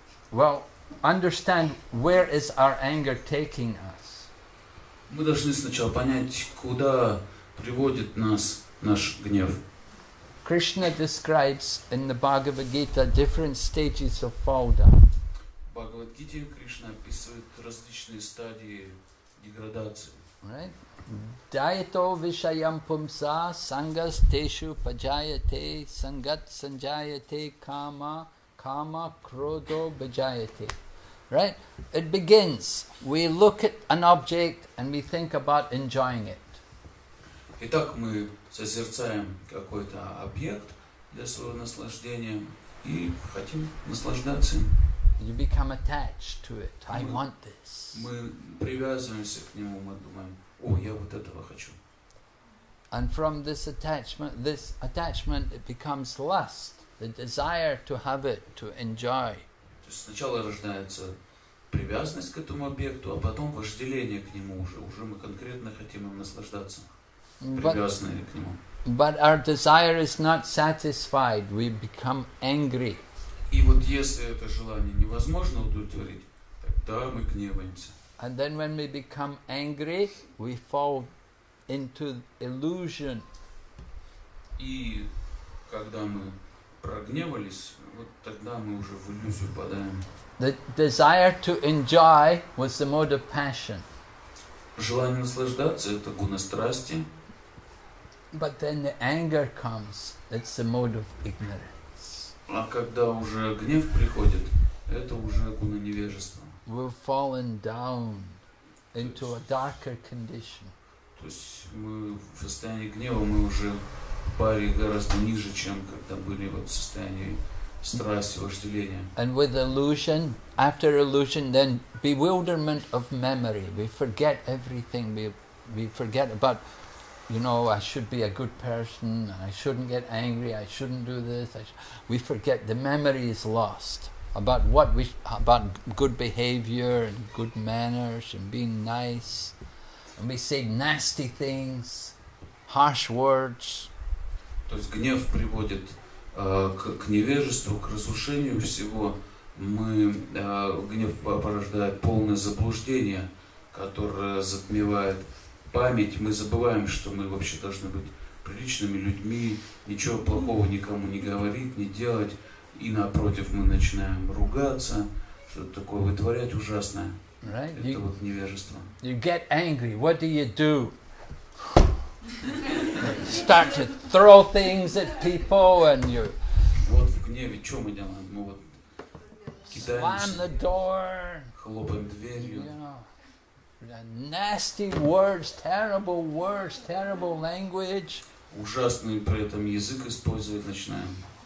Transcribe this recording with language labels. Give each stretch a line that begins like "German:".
English: Well, understand, where is our anger taking us?
Russian: Мы должны сначала понять, куда приводит нас наш гнев.
English: Krishna describes in the Bhagavad Gita different stages of fall down.
Russian: Bhagavad Gita Krishna описывает различные стадии деградации.
English: Right?
Sanskrit: Dayato vishayam pumsa sangas teshu pajayate sangat sanjayate kama kama krodo bajayate.
English: Right? It begins. We look at an object and we think about enjoying it.
Russian: Итак, мы созерцаем какой-то объект для своего наслаждения и хотим наслаждаться им.
English: You become attached to it. I want this.
Russian: Мы привязываемся к нему, мы думаем: «О, я вот этого хочу».
English: And from this attachment, it becomes lust, the desire to have it, to enjoy.
Russian: То есть сначала рождается привязанность к этому объекту, а потом вожделение к нему уже. Уже мы конкретно хотим им наслаждаться.
English: But our desire is not satisfied. We become angry.
Russian: И вот если это желание невозможно удовлетворить, тогда мы гневаемся.
English: And then when we become angry, we fall into illusion.
Russian: И когда мы прогневались, вот тогда мы уже в иллюзию падаем.
English: The desire to enjoy was the mode of passion.
Russian: Желание наслаждаться – это гуна страсти.
English: But then the anger comes. It's the mode of ignorance.
Russian: А когда уже гнев приходит, это уже гуна невежества.
English: We've fallen down into a darker condition.
Russian: То есть мы в состоянии гнева мы уже пали гораздо ниже, чем когда были вот в состоянии страсти, вожделения.
English: And with illusion, after illusion, then bewilderment of memory. We forget everything. We forget about, you know, I should be a good person. I shouldn't get angry. I shouldn't do this. We forget. The memory is lost about what we about good behavior and good manners and being nice. And we say nasty things, harsh words.
Russian: То есть гнев приводит к невежеству, к разрушению всего. Мы гнев порождает полное заблуждение, которое затмевает память. Мы забываем, что мы вообще должны быть приличными людьми, ничего плохого никому не говорить, не делать. И напротив, мы начинаем ругаться, что-то такое вытворять ужасное.
English: Right.
Russian: Это вот невежество.
English: You get angry. What do you do? Start to throw things at people, and you.
Russian: Вот в гневе, что мы делаем? Мы вот
English: slam the door.
Russian: Хлопаем дверью.
English: You know, nasty words, terrible words, terrible language.
Russian: Ужасный при этом язык использовать начинаем.